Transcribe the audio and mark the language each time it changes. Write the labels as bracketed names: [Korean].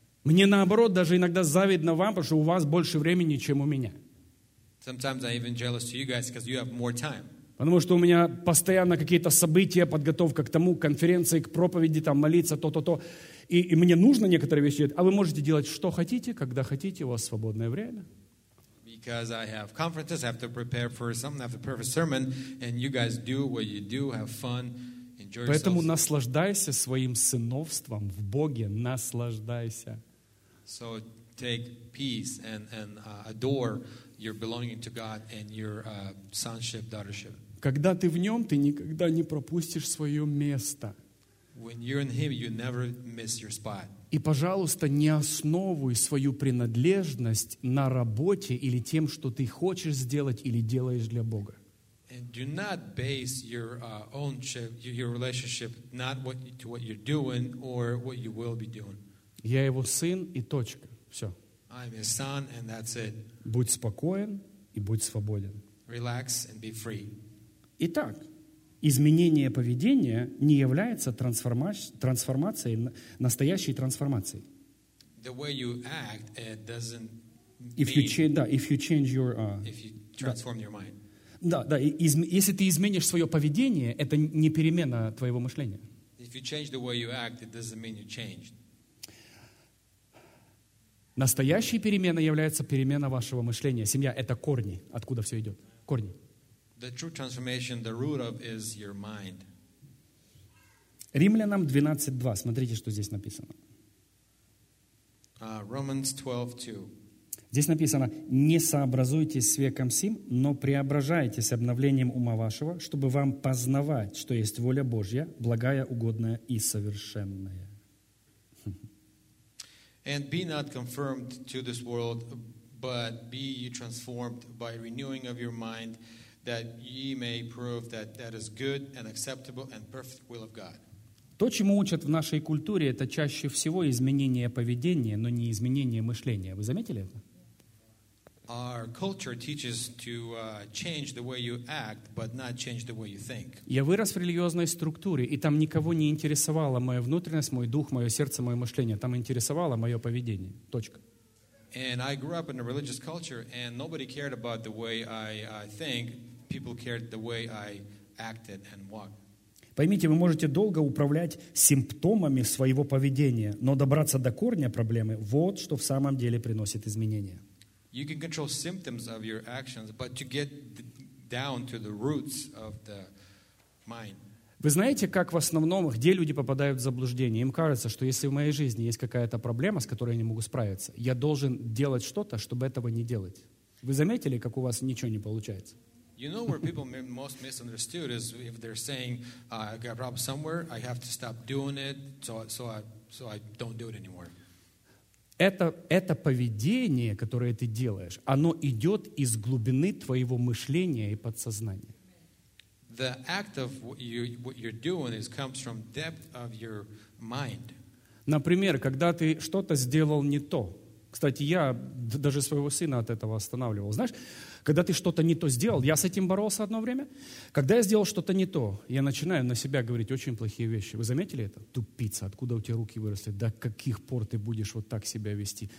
[Russian] Мне наоборот даже иногда завидно вам, потому что у вас больше времени, чем у меня. [English] Sometimes I'm even jealous to you guys because you have more time. [Russian] Потому что у меня постоянно какие-то события, подготовка к тому, конференции, к проповеди, там, молиться, то-то-то. И мне нужно некоторые вещи делать. А вы можете делать, что хотите, когда хотите, у вас свободное время. [English] Because I have conferences, I have to prepare for something, I have to prepare for a sermon, and you guys do what you do, have fun, enjoy yourselves. [Russian] Поэтому наслаждайся своим сыновством в Боге, наслаждайся. [English] So take peace and adore your belonging to God and your sonship, daughtership. [Russian] Когда ты в нем, ты никогда не пропустишь свое место. [English] When you're in Him, you never miss your spot. [Russian] И, пожалуйста, не основывай свою принадлежность на работе или тем, что ты хочешь сделать или делаешь для Бога. [English] And do not base your own your relationship not what to what you're doing or what you will be doing. [Russian] Я его сын и точка. Все. [English] I'm his son and that's it. [Russian] Будь спокоен и будь свободен. [English] Relax and be free. [Russian] Итак, изменение поведения не является трансформацией, настоящей трансформацией. [English] The way you act, it doesn't mean, if you change your if you transform your mind. [Russian] Да, да, если ты изменишь свое поведение, это не перемена твоего мышления. [English] If you change the way you act, it doesn't mean you changed. [Russian] Настоящая перемена является перемена вашего мышления. Семья — это корни, откуда все идет. Корни. [English] The true transformation, the root of, is your mind. [Russian] Римлянам 12:2. Смотрите, что здесь написано. [English] Romans 12:2. [Russian] Здесь написано: «Не сообразуйтесь с веком сим, но преображайтесь обновлением ума вашего, чтобы вам познавать, что есть воля Божья, благая, угодная и совершенная». [English] And be not conformed to this world, but be you transformed by renewing of your mind, that ye may prove that that is good and acceptable and perfect will of God. [Russian] То, чему учат в нашей культуре, это чаще всего изменение поведения, но не изменение мышления. Вы заметили это? [English] Our culture teaches to change the way you act, but not change the way you think. [Russian] Я вырос в религиозной структуре, и там никого не интересовало моя внутренность, мой дух, мое сердце, мое мышление. Там интересовало мое поведение. Точка. [English] And I grew up in a religious culture, and nobody cared about the way I think. People cared the way I acted and walked. [Russian] Поймите, вы можете долго управлять симптомами своего поведения, но добраться до корня проблемы — вот что в самом деле приносит изменения. [English] You can control symptoms of your actions, but to get down to the roots of the mind. [Russian] Вы знаете, как в основном, где люди попадают в заблуждение? Им кажется, что если в моей жизни есть какая-то проблема, с которой я не могу справиться, я должен делать что-то, чтобы этого не делать. Вы заметили, как у вас ничего не получается? [English] You know where people most misunderstood is if they're saying, I got a problem somewhere, I have to stop doing it, so I don't do it anymore. [Russian] Это поведение, которое ты делаешь, оно идет из глубины твоего мышления и подсознания. [English] The act of what you're doing is comes from depth of your mind. [Russian] Например, когда ты что-то сделал не то. Кстати, я даже своего сына от этого останавливал. Знаешь, когда ты что-то не то сделал, я с этим боролся одно время. Когда я сделал что-то не то, я начинаю на себя говорить очень плохие вещи. Вы заметили это? Тупица, откуда у тебя руки выросли? До каких пор ты будешь вот так себя вести?